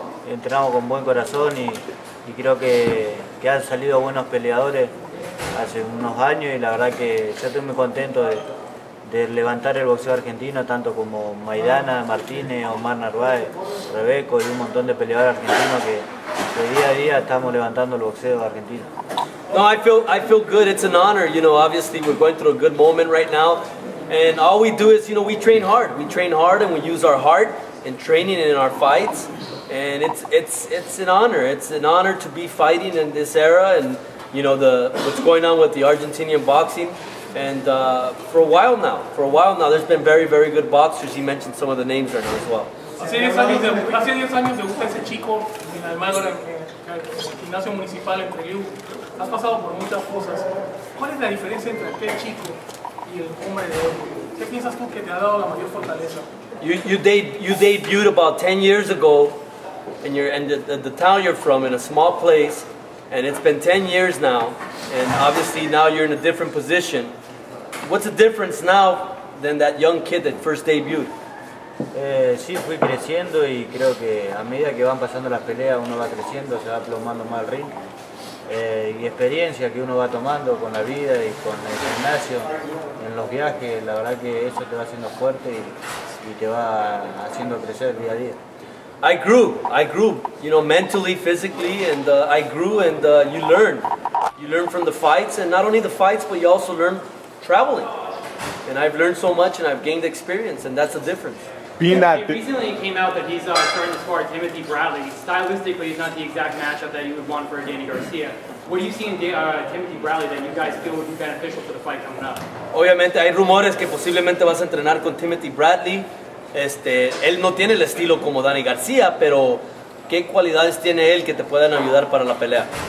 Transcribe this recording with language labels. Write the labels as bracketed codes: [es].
[es] Entrenamos con buen corazón y creo que han salido buenos peleadores hace unos años y la verdad que yo estoy muy contento de levantar el boxeo argentino, tanto como Maidana, Martínez, Omar Narváez, Rebeco y un montón de peleadores argentinos que día a día estamos levantando el boxeo argentino. [en] No, I feel good, it's an honor, you know, obviously we're going through a good moment right now and all we do is, you know, we train hard and we use our heart in training and in our fights. And it's an honor. It's an honor to be fighting in this era, and you know what's going on with the Argentinian boxing. And for a while now, there's been very, very good boxers. He mentioned some of the names right now as well. [es] Hace 10 años, hace 10 años me gusta ese chico en Almagro, en el gimnasio municipal en Trelew. Has pasado por muchas cosas. ¿Cuál es la diferencia entre aquel chico y el hombre de hoy? ¿Qué piensas tú que te ha dado la mayor fortaleza? [en] You debuted about 10 years ago. And you're in the town you're from in a small place, and it's been 10 years now, and obviously now you're in a different position. What's the difference now than that young kid that first debuted? [es] Sí, fui creciendo y creo que a medida que van pasando las peleas uno va creciendo, se va plomando más el ring. Y experiencia que uno va tomando con la vida y con el gimnasio, en los viajes, la verdad que eso te va haciendo fuerte y te va haciendo crecer día a día. [en] I grew, you know, mentally, physically, and I grew and you learn. You learn from the fights, and not only the fights, but you also learn traveling. And I've learned so much and I've gained experience, and that's the difference. being that recently it came out that he's starting to spar Timothy Bradley, stylistically he's not the exact matchup that you would want for Danny Garcia. What do you see in Timothy Bradley that you guys feel would be beneficial for the fight coming up? [es] Obviamente hay rumores que posiblemente vas a entrenar con Timothy Bradley. Él no tiene el estilo como Danny Garcia, pero ¿qué cualidades tiene él que te puedan ayudar para la pelea?